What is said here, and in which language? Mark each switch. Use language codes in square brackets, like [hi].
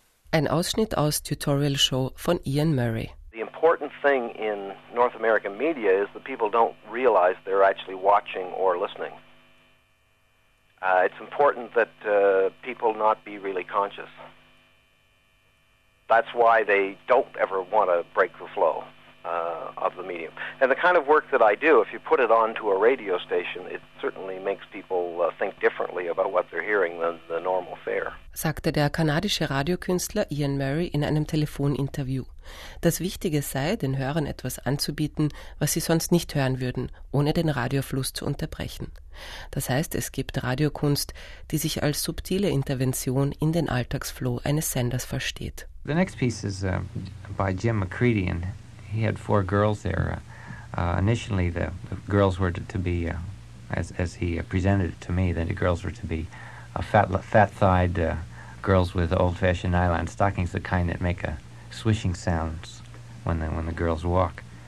[de] Ein Ausschnitt aus Tutorial Show von Ian Murray. [en] The important thing in North American media is that people don't realize they're actually watching or listening. It's important that people not be really conscious. That's why they don't ever want to break the flow of the medium. And the kind of work that I do, if you put it onto a radio station, it certainly makes people think differently about what they're hearing than the normal fare. [de] Sagte der kanadische Radiokünstler Ian Murray in einem Telefoninterview. Das Wichtige sei, den Hörern etwas anzubieten, was sie sonst nicht hören würden, ohne den Radiofluss zu unterbrechen. Das heißt, es gibt Radiokunst, die sich als subtile Intervention in den Alltagsflow eines Senders versteht. [en] The next piece is by Jim McCready. He had four girls there. Initially, the girls were to be, as he presented it to me, the girls were to be fat-thighed girls with old-fashioned nylon stockings, the kind that make a swishing sounds when the girls walk.